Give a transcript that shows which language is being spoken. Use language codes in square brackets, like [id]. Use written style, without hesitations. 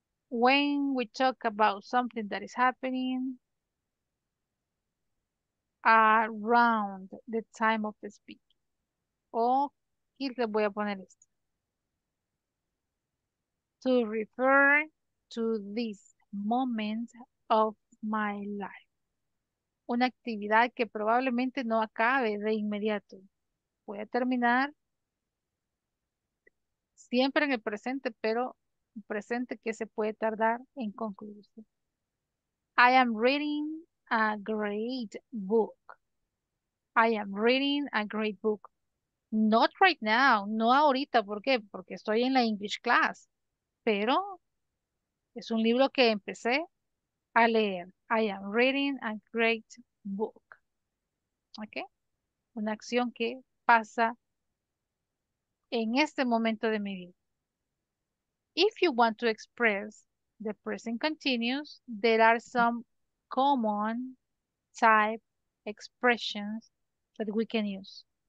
[en] When we talk about something that is happening around the time of the speak. [es] O, aquí le voy a poner esto. [en] To refer to this moment of my life. [es] Una actividad que probablemente no acabe de inmediato. Voy a terminar siempre en el presente, pero... presente que se puede tardar en concluirse. [en] I am reading a great book. I am reading a great book. Not right now, [es] no ahorita, ¿por qué? Porque estoy en la English class, pero es un libro que empecé a leer. [en] I am reading a great book. ¿Ok? [es] Una acción que pasa en este momento de mi vida. [en] If you want to express the present continuous, there are some common type expressions that we can use.